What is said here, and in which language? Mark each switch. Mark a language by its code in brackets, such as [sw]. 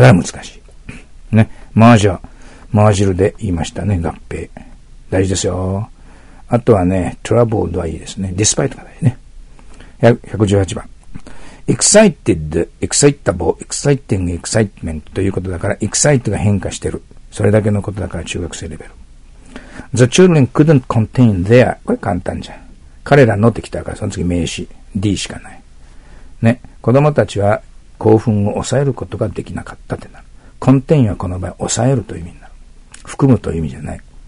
[ja] だから難しい。ね。merger、マージルで言いましたね。合併。大事ですよ。あとはね、troubled はいいですね。despite が大事ね。 118番。 excited, excitable, exciting, excitement ということだから、excite が変化してる。それだけのことだから中学生レベル。 [en] The children couldn't contain their. [ja] これ簡単じゃん。彼らのってきたから、その次名詞 D しかない。ね。子供たちは興奮を抑えることができなかったってなる。 contain はこの場合、抑えるという意味になる。含むという意味じゃない。